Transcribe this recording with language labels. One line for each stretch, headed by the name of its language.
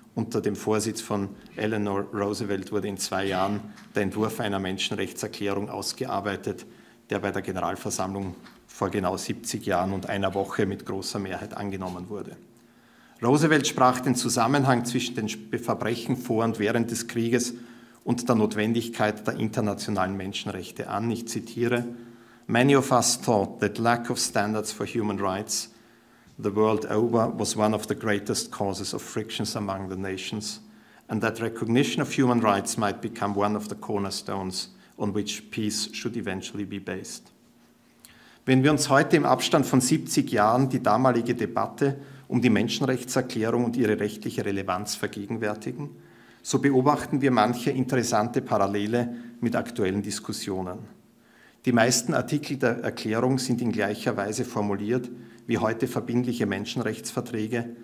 German: Unter dem Vorsitz von Eleanor Roosevelt wurde in 2 Jahren der Entwurf einer Menschenrechtserklärung ausgearbeitet, der bei der Generalversammlung vor genau 70 Jahren und einer Woche mit großer Mehrheit angenommen wurde. Roosevelt sprach den Zusammenhang zwischen den Verbrechen vor und während des Krieges und der Notwendigkeit der internationalen Menschenrechte an. Ich zitiere:
English: Many of us thought that lack of standards for human rights the world over was one of the greatest causes of frictions among the nations, and that recognition of human rights might become one of the cornerstones on which peace should eventually be based.
German: Wenn wir uns heute im Abstand von 70 Jahren die damalige Debatte um die Menschenrechtserklärung und ihre rechtliche Relevanz vergegenwärtigen, so beobachten wir manche interessante Parallele mit aktuellen Diskussionen. Die meisten Artikel der Erklärung sind in gleicher Weise formuliert wie heute verbindliche Menschenrechtsverträge.